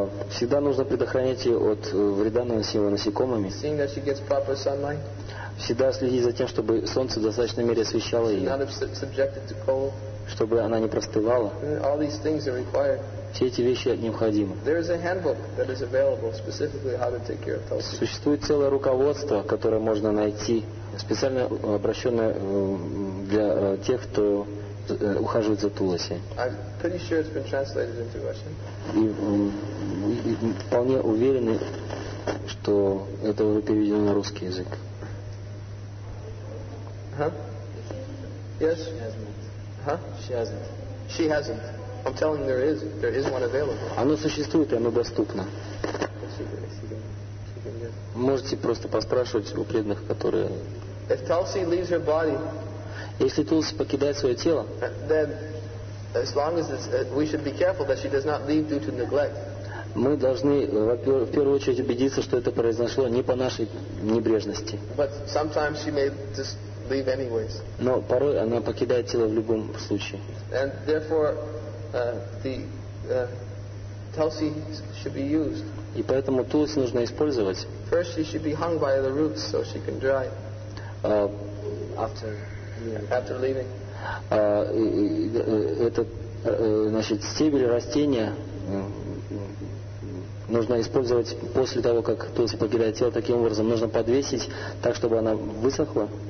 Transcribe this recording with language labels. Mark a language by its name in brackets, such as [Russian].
[Russian] Всегда нужно предохранять ее от вреда, наносимого насекомыми. [English] Seeing that she gets proper sunlight. [Russian] Всегда следить за тем, чтобы солнце в достаточной мере освещало ее. [English] Not subjected to cold. [Russian] Чтобы она не простывала. [English] All these things are required. [Russian] Все эти вещи необходимы. [English] There is a handbook that is available specifically how to take care of tulsi. [Russian] Существует целое руководство, которое можно найти, специально обращенное для тех, кто ухаживает за тулси. [English] I'm pretty sure it's been translated into Russian. [Russian] И вполне уверены, что это уже переведено на русский язык. [English] Yes? She hasn't. Huh? She hasn't. She hasn't. I'm telling you, there is one available. [Russian] Оно существует, и оно доступно. Можете просто поспрашивать у преданных, которые. [English] If Tulsi leaves her body, [Russian] если Тулси покидает свое тело, [English] then as long as we should be careful that she does not leave due to neglect. [Russian] Мы должны в первую очередь убедиться, что это произошло не по нашей небрежности. [English] But sometimes she may just leave anyways. [Russian] Но порой она покидает тело в любом случае. [English] And therefore. Tulsi should be used. [Russian] И поэтому тулси нужно использовать. [English] First, she should be hung by the roots so she can dry. After leaving. [Russian] Это значит стебель растения нужно использовать после того, как туся покидает тело, таким образом нужно подвесить так, чтобы она высохла.